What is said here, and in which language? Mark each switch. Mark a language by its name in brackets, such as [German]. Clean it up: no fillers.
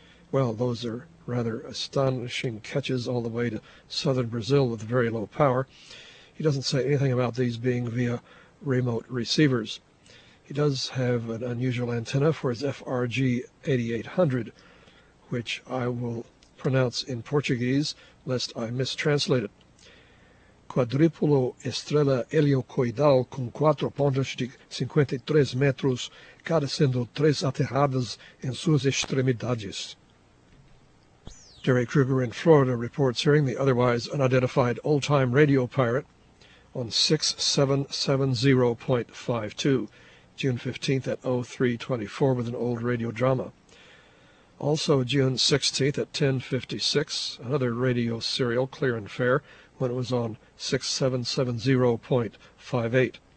[English] Well, those are rather astonishing catches all the way to southern Brazil with very low power. He doesn't say anything about these being via remote receivers. He does have an unusual antenna for his FRG8800, which I will pronounce in Portuguese, lest I mistranslate it. [Portuguese] Quadrúpulo estrela heliocoidal com quatro pontas de 53 metros, cada sendo três aterradas em suas extremidades. [English] Jerry Kruger in Florida reports hearing the otherwise unidentified old-time radio pirate on 6770.52, June 15th at 0324 with an old radio drama. Also June 16th at 1056, another radio serial, clear and fair, when it was on 6770.58.